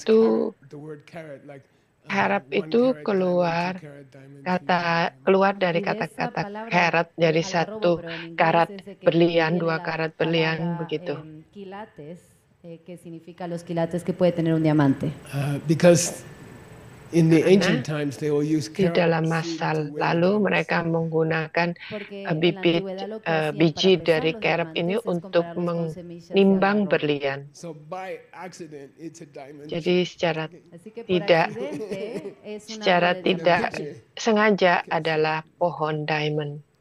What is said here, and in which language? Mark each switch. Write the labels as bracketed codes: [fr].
[id] situ, carob, [en] the word carrot, like, [id] carob itu keluar kata keluar dari kata-kata carrot, jadi satu karat berlian, dua karat berlian begitu. [es] Quilates, que significa los quilates que puede tener un diamante. [en] Because in the ancient times they will use [id] carob. Di dalam masa lalu mereka menggunakan bibit biji dari carob ini untuk menimbang berlian. [en] So by accident, it's a diamond. [id] Jadi secara tidak sengaja adalah pohon diamond.